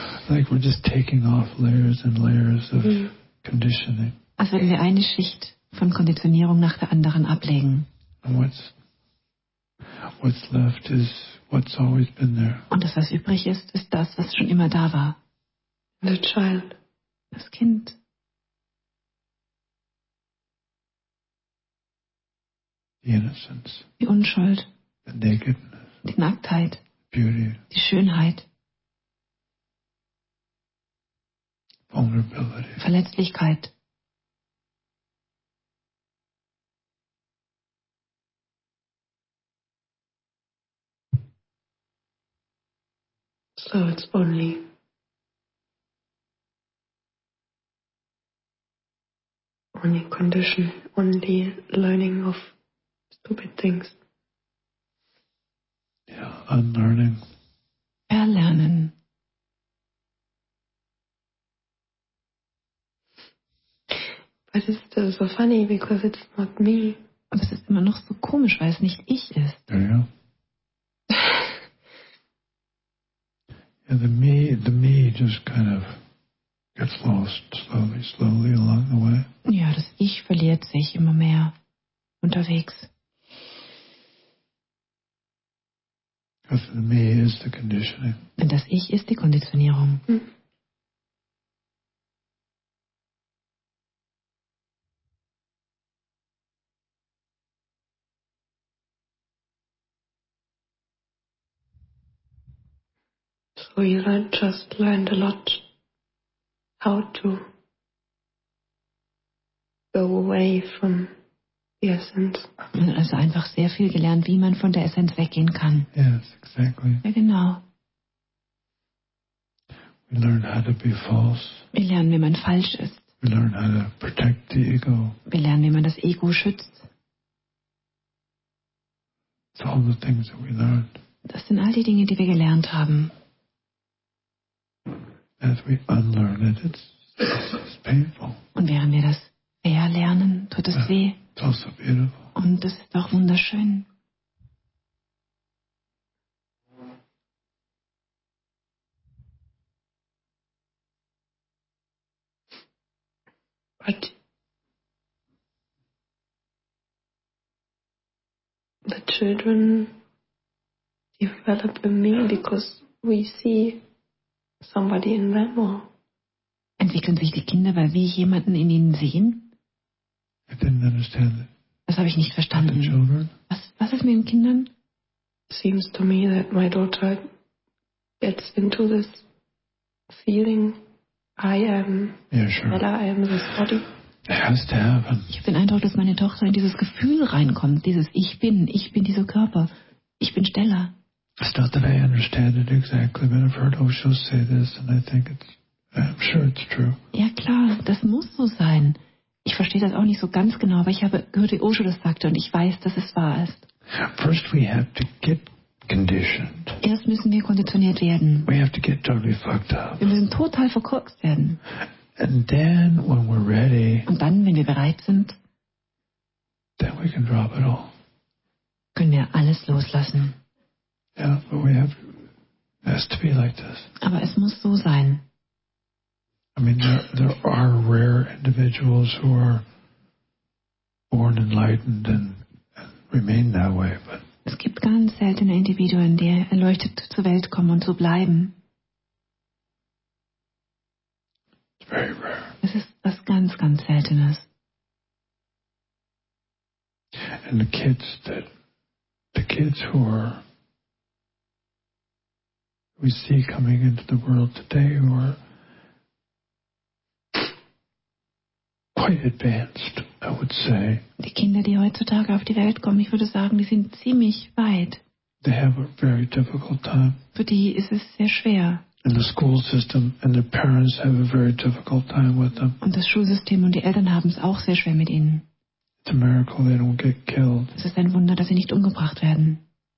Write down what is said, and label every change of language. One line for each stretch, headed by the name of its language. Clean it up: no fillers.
English: Like we're just taking off layers and layers of conditioning.
German: Als würden wir eine Schicht von Konditionierung nach der anderen ablegen.
English: And what's left is what's always been there.
German: Und das, was übrig ist, ist das, was schon immer da war.
English: The child.
German: Das Kind. Die Unschuld,
English: the nakedness,
German: die Nacktheit,
English: beauty,
German: die Schönheit,
English: vulnerability,
German: Verletzlichkeit.
English: So it's only. Only condition, only learning of. Stupid things. Yeah, unlearning.
German: Erlernen.
English: But it's still so funny because it's not me.
German: Aber es ist immer noch so komisch, weil es nicht ich ist.
English: There you go. Yeah, the me just kind of gets lost slowly, slowly along the way.
German: Ja, das Ich verliert sich immer mehr unterwegs.
English: Because me is the conditioning.
German: Denn das Ich ist die Konditionierung.
English: So you just learned a lot how to go away from the essence.
German: Man hat also einfach sehr viel gelernt, wie man von der Essenz weggehen kann.
English: Yes, exactly.
German: Ja, genau.
English: We learn how to be false.
German: Wir lernen, wie man falsch ist.
English: We learn how to protect the ego.
German: Wir lernen, wie man das Ego schützt.
English: It's all the things that we learned.
German: Das sind all die Dinge, die wir gelernt haben.
English: As we unlearn it, it's painful.
German: Und während wir das verlernen, tut es weh.
English: It's also beautiful.
German: Und das ist auch wunderschön.
English: But the children develop in me because we see somebody in them or
German: Entwickeln sich die Kinder, weil wir jemanden in ihnen sehen?
English: I didn't understand that.
German: Das habe ich nicht verstanden. Was ist mit den Kindern?
English: Seems to me that my daughter gets into this feeling I am, yeah, sure. That I am this body. It has to happen.
German: Ich habe den Eindruck, dass meine Tochter in dieses Gefühl reinkommt, dieses ich bin dieser Körper, ich bin Stella.
English: It's not that I understand it exactly, but I've heard Osho say this and I think I'm sure it's true.
German: Ja klar, das muss so sein. Ich verstehe das auch nicht so ganz genau, aber ich habe gehört, wie Osho das sagte und ich weiß, dass es wahr ist.
English: First we have to get conditioned.
German: Erst müssen wir konditioniert werden.
English: We have to get totally fucked up.
German: Wir müssen total verkorkst werden.
English: And then when we're ready,
German: und dann, wenn wir bereit sind,
English: then we can drop it all.
German: Können wir alles loslassen.
English: Yeah, but we have, it has to be like this.
German: Aber es muss so sein.
English: I mean, there are rare individuals who are born enlightened and remain that way, but
German: es gibt ganz seltene Individuen, die erleuchtet zur Welt kommen und so bleiben. Es ist was ganz, ganz Seltenes.
English: And the kids who are we see coming into the world today who are quite advanced, I would say.
German: Die Kinder, die heutzutage auf die Welt kommen, ich würde sagen, die sind ziemlich weit.
English: They have a very difficult time.
German: Für die ist es sehr schwer.
English: And the school system and their parents have a very difficult time with them.
German: Und das Schulsystem und die Eltern haben es auch sehr schwer mit ihnen.
English: It's a miracle they don't get killed.
German: Es ist ein Wunder, dass sie nicht umgebracht werden.